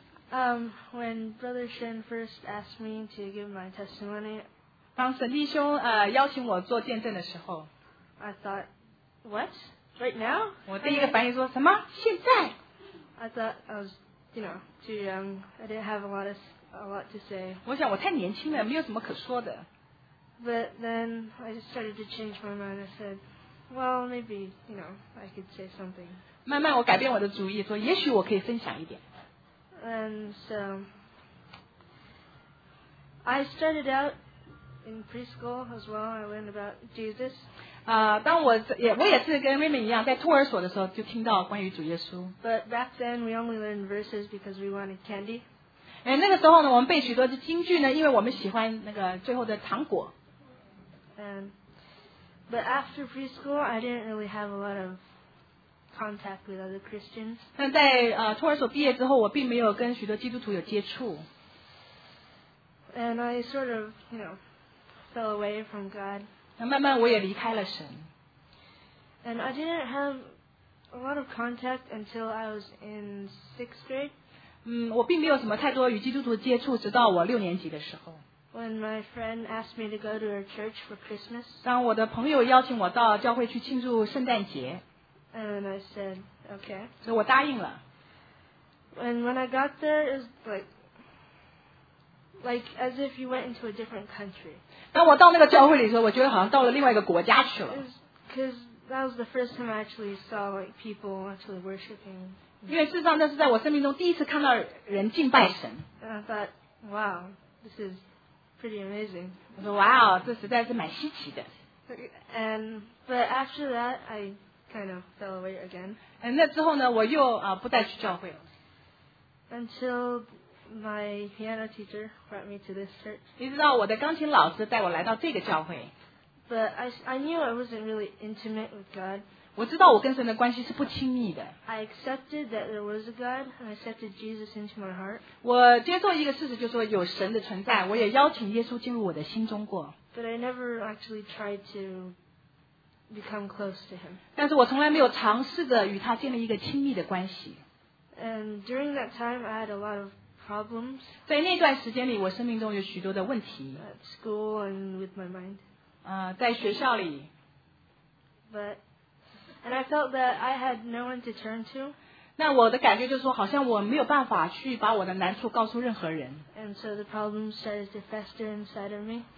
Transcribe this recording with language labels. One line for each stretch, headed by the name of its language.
English: When Brother Shen first asked me to give my testimony,
Chinese: 当沈弟兄邀请我做见证的时候
English: ，I thought, what? Right now?
Chinese: 我第一个反应说什么？现在
English: ？I thought I was. You know, too young. I didn't have a lot to say.
Chinese: 我想我太年轻了，没有什么可说的。
English: But then I just started to change my mind. I said, well, maybe, you know, I could say something.
Chinese: 慢慢我改变我的主意，说也许我可以分享一点。
English: And so I started out in preschool as well. I learned about Jesus.
Chinese: 当我也我也是跟妹妹一样，在托儿所的时候就听到关于主耶稣。
English: But back then we only learned verses because we wanted candy.
Chinese: 哎，那个时候呢，我们背许多的经句呢，因为我们喜欢那个最后的糖果。
English: But after preschool, I didn't really have a lot of contact with other Christians.
Chinese: 但在托儿所毕业之后，我并没有跟许多基督徒有接触。
English: And I sort of, you know, fell away from God.
Chinese: 慢慢我也离开了神。
English: And I didn't have a lot of contact until I was in sixth grade.
Chinese: 我并没有什么太多与基督徒接触，直到我六年级的时候。
English: When my friend asked me to go to her church for Christmas.
Chinese: 当我的朋友邀请我到教会去庆祝圣诞节。
English: And I said, okay.
Chinese: 所以我答应了。
English: And when I got there, it was like as if you went into a different country.
Chinese: 当我到那个教会里的时候，我觉得好像到了另外一个国家去了。
English: Because that was the first time I actually saw like people actually worshiping.
Chinese: 因为事实上那是在我生命中第一次看到人敬拜神。
English: And I thought, wow, this is pretty amazing.
Chinese: 我说 wow, 这实在是蛮稀奇的。
English: But after that, I kind of fell away again.
Chinese: And 那之后呢，我又不再去教会了。
English: Until my piano teacher brought me to this church.
Chinese: 一直到我的钢琴老师带我来到这个教会。
English: But I knew I wasn't really intimate with God.
Chinese: 我知道我跟神的关系是不亲密的。
English: I accepted that there was a God and I accepted Jesus into my heart.
Chinese: 我接受一个事实就是说有神的存在，我也邀请耶稣进入我的心中过。
English: But I never actually tried to become close to him.
Chinese: 但是我从来没有尝试着与他建立一个亲密的关系。
English: And during that time, I had a lot of problems.
Chinese: 在那段时间里，我生命中有许多的问题。
English: At school and with my mind.
Chinese: 在学校里。
English: But and I felt that I had no one to turn to.
Chinese: 那我的感觉就是说，好像我没有办法去把我的难处告诉任何人。
English: And so the problems started to fester inside of me.